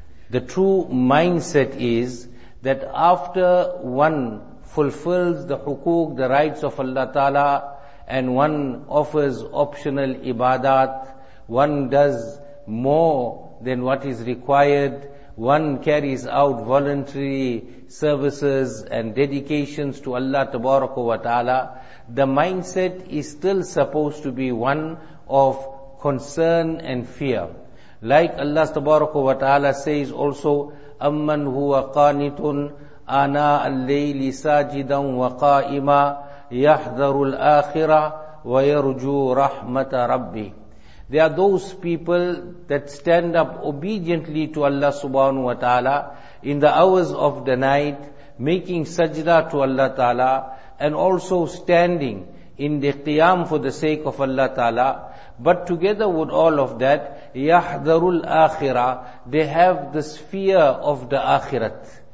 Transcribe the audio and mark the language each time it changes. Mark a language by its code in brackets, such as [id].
[en] The true mindset is that after one fulfills the huquq, the rights of Allah Ta'ala, and one offers optional ibadat, one does more than what is required, one carries out voluntary services and dedications to Allah Tabaraka wa Ta'ala, the mindset is still supposed to be one of concern and fear. Like Allah Tabaraka wa Ta'ala says also, [ar] أَمَّنْ هُوَ قَانِتٌ آنَاءَ اللَّيْلِ سَاجِدًا وَقَائِمًا يَحْذَرُ الْآخِرَةِ وَيَرْجُو رَحْمَةَ رَبِّهِ. [en] They are those people that stand up obediently to Allah subhanahu wa ta'ala in the hours of the night, making sajda to Allah ta'ala, and also standing in the qiyam for the sake of Allah ta'ala. But together with all of that, [ar] يَحْذَرُ الْآخِرَةِ, [en] they have this fear of the akhirat.